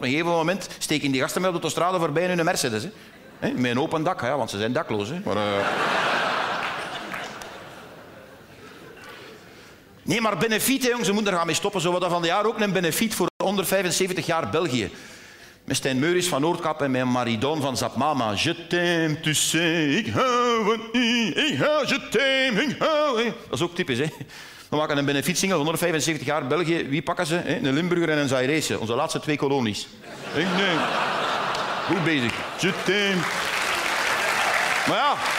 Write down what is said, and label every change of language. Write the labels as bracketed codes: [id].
[nl] Op een gegeven moment steken die gasten mij op de autostrade voorbij in hun Mercedes. Hè. Hè, met een open dak, hè, want ze zijn dakloos. Hè. Maar, Nee, maar benefiet, hè, jongen, ze moeten er gaan mee stoppen. Zo wat van de jaar ook een benefiet voor onder 75 jaar België. Met Stijn Meuris van Noordkap en met Maridon van Zapmama. [fr] Je t'aime, tu sais, [nl] ik hou van u. Ik hou, [fr] je t'aime, [nl] ik hou. Dat is ook typisch, hè. We maken een benefietsingel van 175 jaar België. Wie pakken ze? Hè? Een Limburger en een Zairese. Onze laatste twee kolonies. Ik neem. Goed bezig. [fr] Je t'aime. [nl] Maar ja.